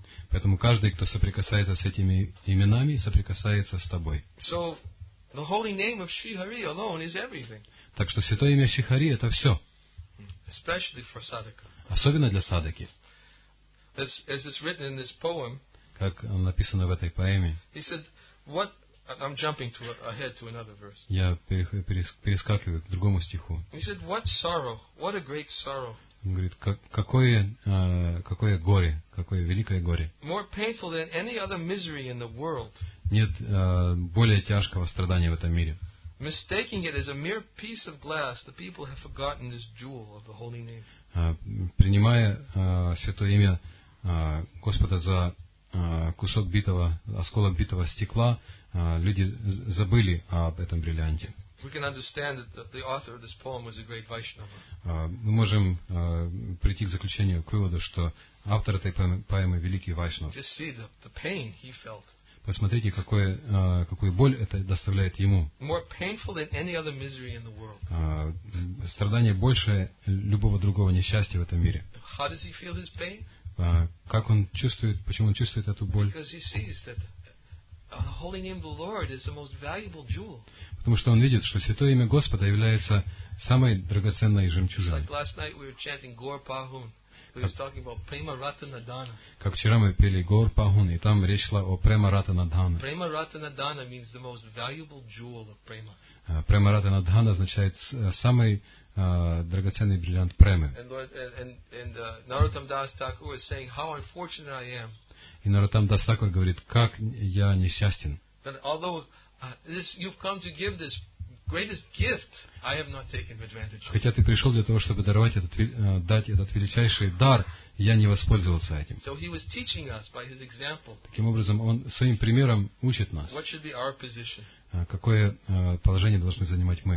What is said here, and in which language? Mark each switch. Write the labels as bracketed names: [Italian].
[Russian] Поэтому каждый, кто соприкасается с этими именами, соприкасается с Тобой. [English] So, the holy name of Shri Hari alone is everything. [Russian] Так что святое имя Шри Хари это все. [English] Especially for Sadaka. [Russian] Особенно для Садаки. [English] As it's written in this poem, [Russian] как написано в этой поэме. [English] He said, what, I'm jumping to, ahead to another verse. [Russian] Я перескакиваю к другому стиху. [English] He said, what sorrow, what a great sorrow. [Russian] Он говорит, какое горе, какое великое горе. [English] More painful than any other misery in the world. [Russian] Нет более тяжкого страдания в этом мире. [English] Mistaking it as a mere piece of glass, the people have forgotten this jewel of the holy name. [Russian] Принимая святое имя Господа за кусок битого, осколок битого стекла, люди забыли об этом бриллианте. [English] We can understand that the author of this poem was a great Vaishnava. [Russian] Мы можем прийти к заключению, к выводу, что автор этой поэмы великий Вайшнав. [English] Just see the pain he felt. [Russian] Посмотрите, какую боль это доставляет ему. [English] More painful than any other misery in the world. [Russian] Страдание больше любого другого несчастья в этом мире. [English] How does he feel his pain? [Russian] Как он чувствует, почему он чувствует эту боль? [English] Because he sees that the holy name of the Lord is the most valuable jewel. [Russian] Потому что он видит, что святое имя Господа является самой драгоценной жемчужиной. [English] Like last night we were chanting Gaur Pahun. He was talking about Prema Ratana Dana. [Russian] Как вчера мы пели Гор Пагун, и там речь шла о Према Ратана Дана. [English] Prema Ratana Dana means the most valuable jewel of Prema. [Russian] Prema Ratana Dana означает самый драгоценный бриллиант Премы. [English] And Narottam Das Thakur is saying how unfortunate I am. [Russian] И Narottam Das Thakur говорит, как я несчастен. [English] That although you've come to give this greatest gift, I have not taken advantage of. [Russian] Хотя ты пришел для того, чтобы дать этот величайший дар, я не воспользовался этим. [English] So he was teaching us by his example. [Russian] Таким образом, он своим примером учит нас. [English] What should be our position? [Russian] Какое положение должны занимать мы?